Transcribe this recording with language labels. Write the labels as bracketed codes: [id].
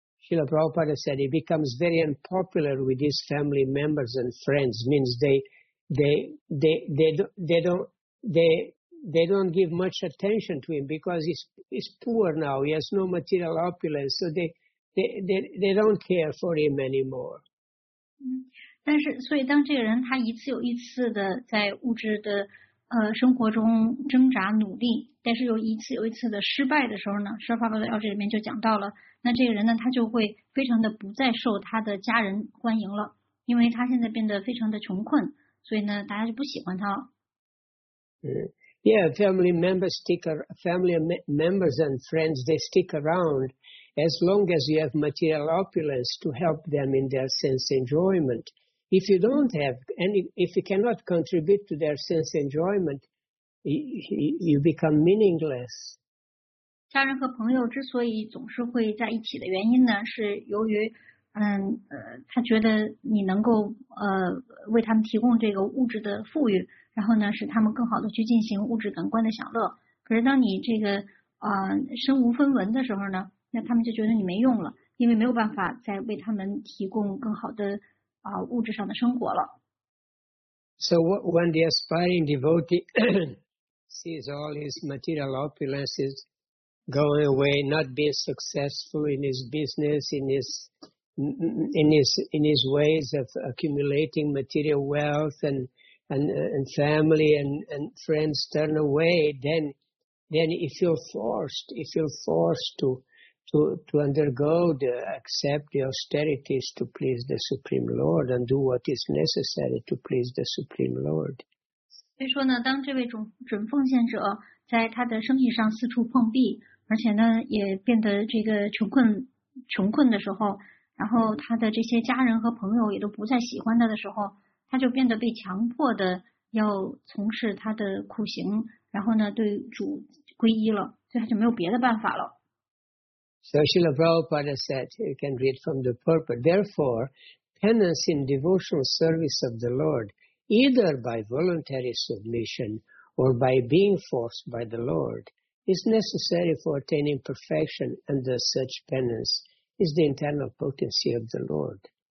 [en] Srila Prabhupada said it becomes very unpopular with his family members and friends. Means they don't give much attention to him because he's poor now. He has no material opulence, so they don't care for him anymore. [zh] 但是所以当这个人他一次又一次的在物质的生活中挣扎努力，但是又一次又一次的失败的时候呢，释迦牟尼佛在这里面就讲到了，那这个人呢，他就会非常的不再受他的家人欢迎了，因为他现在变得非常的穷困，所以呢，大家就不喜欢他了。 [en] Yeah, family members and friends, they stick around as long as you have material opulence to help them in their sense enjoyment. If you don't have any, if you cannot contribute to their sense enjoyment, you become meaningless. [zh] 家人和朋友之所以总是会在一起的原因呢，是由于他觉得你能够为他们提供这个物质的富裕，然后呢使他们更好的去进行物质感官的享乐。可是当你这个身无分文的时候呢，那他们就觉得你没用了，因为没有办法再为他们提供更好的物质上的生活了。 [en] So when the aspiring devotee sees all his material opulences going away, not being successful in his business, in his ways of accumulating material wealth and family and friends turn away, then he feels forced to undergo the accept the austerities to please the Supreme Lord and do what is necessary to please the Supreme Lord. [zh] 所以说呢，当这位准奉献者在他的生意上四处碰壁，而且呢也变得这个穷困的时候，然后他的这些家人和朋友也都不再喜欢他的时候，他就变得被强迫的要从事他的苦行，然后呢对主皈依了，所以他就没有别的办法了。 [en] So Srila Prabhupada said, you can read from the purport. Therefore, penance in devotional service of the Lord, either by voluntary submission or by being forced by the Lord, is necessary for attaining perfection, and thus such penance is the internal potency of the Lord.